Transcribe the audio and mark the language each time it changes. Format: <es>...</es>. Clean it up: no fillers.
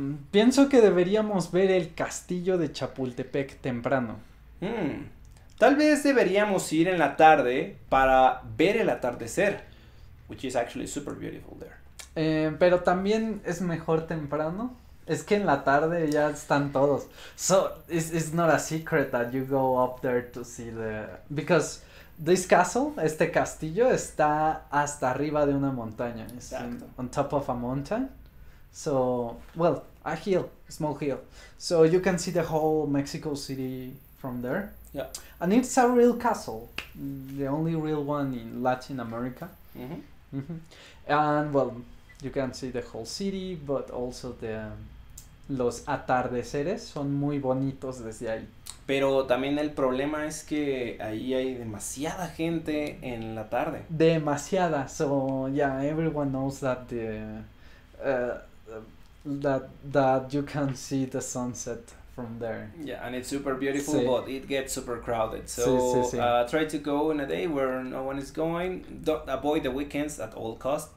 <es>Pienso que deberíamos ver el castillo de Chapultepec temprano. Tal vez deberíamos ir en la tarde para ver el atardecer,</es> <en>which is actually super beautiful there.</en> <es>Pero también es mejor temprano, es que en la tarde ya están todos.</es> <en>So, it's not a secret that you go up there to see the, because This castle,</en> <es>este castillo, está hasta arriba de una montaña.</es> <en>It's on top of a mountain. So, well, a hill, small hill. So you can see the whole Mexico City from there. Yeah. And it's a real castle, the only real one in Latin America. Mm-hmm. Mm-hmm. And, well, you can see the whole city, but also the</en> <es>los atardeceres son muy bonitos desde ahí. Pero también el problema es que ahí hay demasiada gente en la tarde. Demasiada,</es> <en>so yeah, everyone knows that the that you can see the sunset from there. Yeah, and it's super beautiful, sí. But it gets super crowded. So sí. Try to go in a day where no one is going. Don't avoid the weekends at all costs.</en>